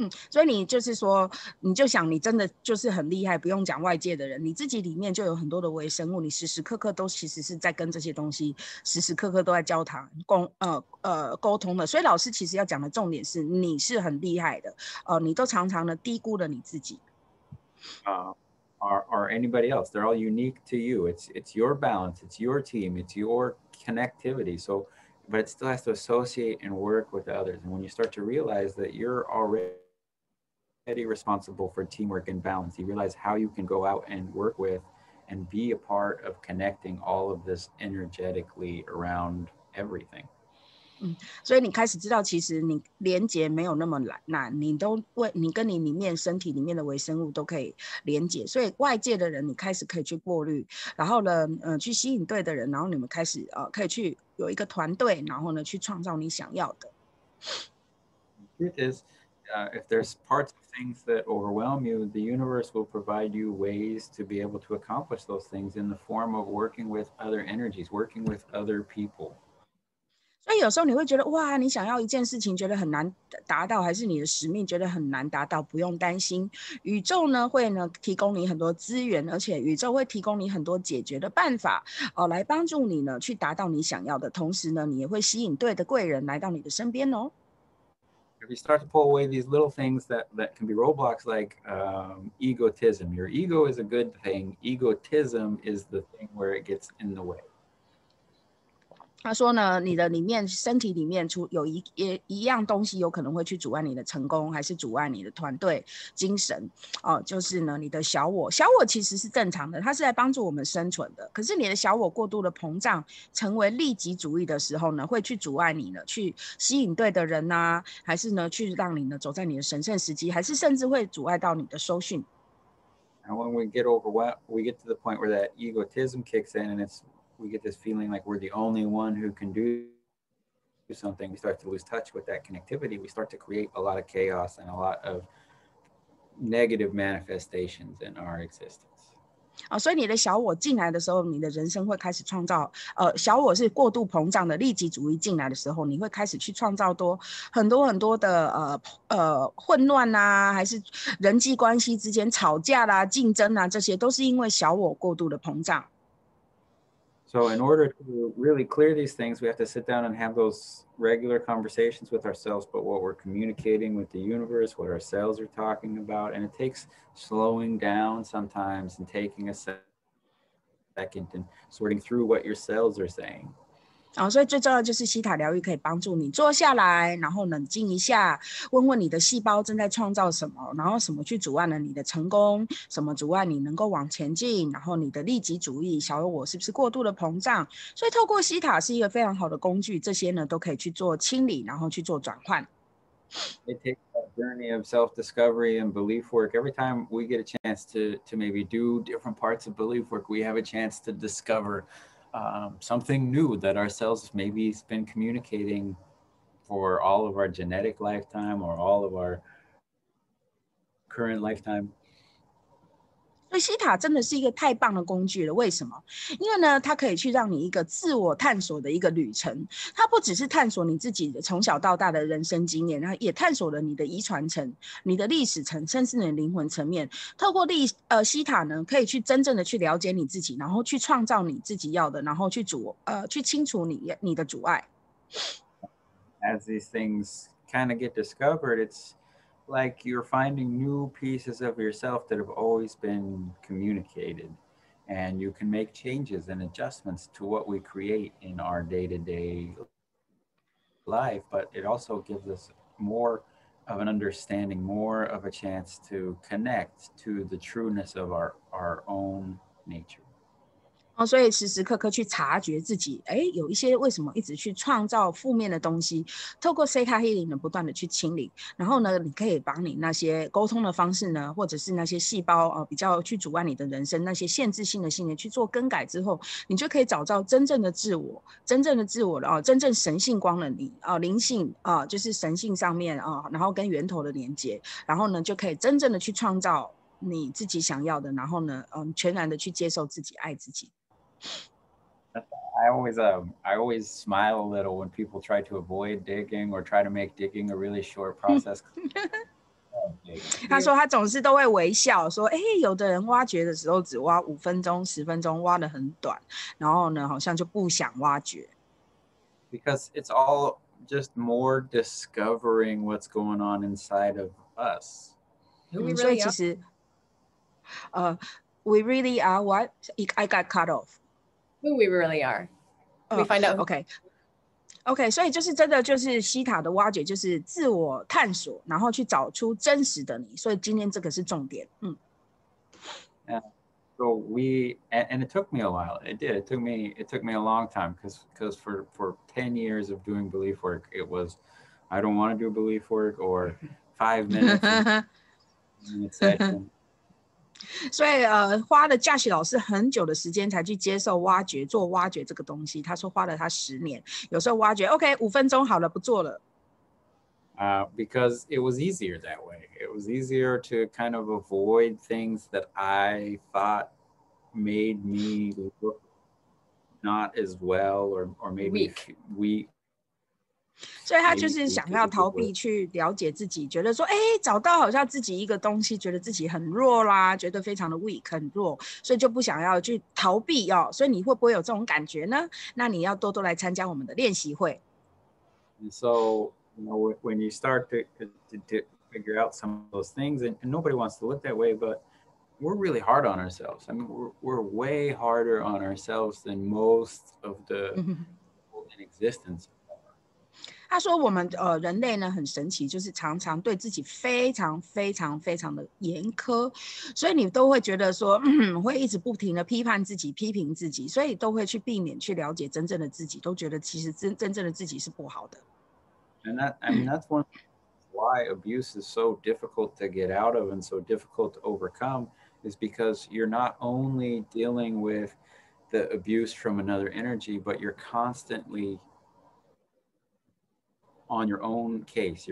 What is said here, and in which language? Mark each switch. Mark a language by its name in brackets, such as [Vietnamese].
[Chinese] 所以你就是说，你就想你真的就是很厉害，不用讲外界的人，你自己里面就有很多的微生物，你时时刻刻都其实是在跟这些东西时时刻刻都在交谈沟通的。所以老师其实要讲的重点是，你是很厉害的，你都常常的低估了你自己。 [English] Or anybody else, they're all unique to you. It's your balance, it's your team, it's your connectivity. So. But it still has to associate and work with others. And when you start to realize that you're already responsible for teamwork and balance, you realize how you can go out and work with and be a part of connecting all of this energetically around everything. [Chinese] 所以你开始知道其实你连接没有那么难，你跟你里面身体里面的微生物都可以连接，所以外界的人你开始可以去过滤，然后呢去吸引对的人，然后你们开始可以去有一个团队，然后呢去创造你想要的。 [English] It is, if there's parts of things that overwhelm you, the universe will provide you ways to be able to accomplish those things in the form of working with other energies, working with other people. [Chinese] 那有时候你会觉得哇，你想要一件事情觉得很难达到，还是你的使命觉得很难达到，不用担心，宇宙呢会呢提供你很多资源，而且宇宙会提供你很多解决的办法来帮助你呢去达到你想要的，同时呢你也会吸引对的贵人来到你的身边哦。 [English] If you start to pull away these little things that can be roadblocks like egotism, your ego is a good thing, egotism is the thing where it gets in the way. [Chinese] 他说呢，你的里面身体里面有一样东西有可能会去阻碍你的成功，还是阻碍你的团队精神就是呢你的小我。小我其实是正常的，它是来帮助我们生存的，可是你的小我过度的膨胀成为利己主义的时候呢，会去阻碍你呢去吸引对的人啊，还是呢去让你呢走在你的神圣时机，还是甚至会阻碍到你的收讯。 [English] And when we get overwhelmed, we get to the point where that egotism kicks in and we get this feeling like we're the only one who can do something. We start to lose touch with that connectivity. We start to create a lot of chaos and a lot of negative manifestations in our existence. [Chinese] 所以你的小我进来的时候，你的人生会开始创造小我是过度膨胀的利己主义进来的时候，你会开始去创造多很多很多的混乱啊，还是人际关系之间吵架啦、竞争啊，这些都是因为小我过度的膨胀。 [English] So in order to really clear these things, we have to sit down and have those regular conversations with ourselves about what we're communicating with the universe, what our cells are talking about. And it takes slowing down sometimes and taking a second and sorting through what your cells are saying. [Chinese] 所以最重要就是西塔疗愈可以帮助你坐下来，然后冷静一下，问问你的细胞正在创造什么，然后什么去阻碍了你的成功，什么阻碍你能够往前进，然后你的利己主义小我是不是过度的膨胀。所以透过西塔是一个非常好的工具，这些呢都可以去做清理，然后去做转换。 [English] It takes a journey of self-discovery and belief work. Every time we get a chance to maybe do different parts of belief work, we have a chance to discoversomething new that ourselves maybe has been communicating for all of our genetic lifetime or all of our current lifetime. [Chinese] 所以西塔真的是一个太棒的工具了。为什么？因为呢，它可以去让你一个自我探索的一个旅程。它不只是探索你自己的从小到大的人生经验，然后也探索了你的遗传层、你的历史层，甚至你的灵魂层面。透过西塔呢，可以去真正的去了解你自己，然后去创造你自己要的，然后去清除你的阻碍。 [English] As these things kind of get discovered, it'sLike you're finding new pieces of yourself that have always been communicated, and you can make changes and adjustments to what we create in our day-to-day life, but it also gives us more of an understanding, more of a chance to connect to the trueness of our own nature. [Chinese] 哦，所以时时刻刻去察觉自己，哎，有一些为什么一直去创造负面的东西，透过 Theta Healing 的不断的去清理，然后呢，你可以把你那些沟通的方式呢，或者是那些细胞比较去阻碍你的人生那些限制性的信念去做更改之后，你就可以找到真正的自我，真正的自我了，真正神性光的你，灵性就是神性上面然后跟源头的连接，然后呢，就可以真正的去创造你自己想要的，然后呢，全然的去接受自己，爱自己。 [English] I always smile a little when people try to avoid digging or try to make digging a really short process. [Chinese] 他说他总是都会微笑说，哎，有的人挖掘的时候只挖五分钟、十分钟，挖得很短，然后呢，好像就不想挖掘。 [English] Because it's all just more discovering what's going on inside of us. [Chinese] 所以其实， [English] we really are what I got cut off. Who we really are. We find out. [Chinese] Okay, 所以就是真的就是西塔的挖掘就是自我探索然后去找出真实的你，所以今天这个是重点。 [English] So we, and it took me a while. It took me a long time because for 10 years of doing belief work, it was, I don't want to do belief work or 5 minutes. And it's that. [Chinese] 所以花了嘉许老师很久的时间才去接受挖掘，做挖掘这个东西。他说花了他十年，有时候挖掘 OK 五分钟好了，不做了。 [English] Because it was easier that way. It was easier to kind of avoid things that I thought made me look not as well or made me weak. [Chinese] 所以他就是想要逃避去了解自己，觉得说，哎，找到好像自己一个东西，觉得自己很弱啦，觉得非常的 weak 很弱，所以就不想要去逃避哦。所以你会不会有这种感觉呢？那你要多多来参加我们的练习会。 [English] And so, you know, when you start to figure out some of those things, and nobody wants to look that way, but we're really hard on ourselves. I mean, we're way harder on ourselves than most of the people in existence. [Chinese] 他说我们人类呢很神奇，就是常常对自己非常非常非常的严苛，所以你都会觉得说会一直不停的批判自己，批评自己，所以都会去避免去了解真正的自己，都觉得其实 真正的自己是不好的。 [English] And that, I mean, that's one why abuse is so difficult to get out of and so difficult to overcome is because you're not only dealing with the abuse from another energy, but you're constantlyon your own case.